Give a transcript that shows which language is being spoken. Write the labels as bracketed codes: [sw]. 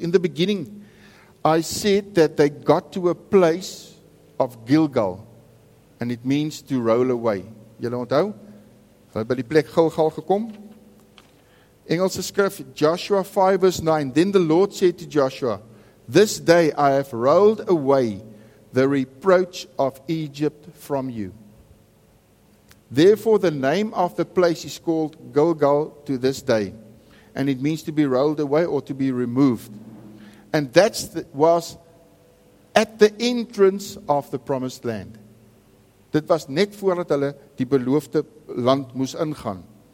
[en] In the beginning, I said that they got to a place of Gilgal. And it means to roll away. [af] Julle onthou? Hulle het by die plek Gilgal gekom. Engelse skrif, Joshua 5 verse 9. [en] Then the Lord said to Joshua, this day I have rolled away the reproach of Egypt from you. Therefore the name of the place is called Gilgal to this day. And it means to be rolled away or to be removed. And that was at the entrance of the promised land. [af] Dit was net voordat hulle die beloofde land moes ingaan.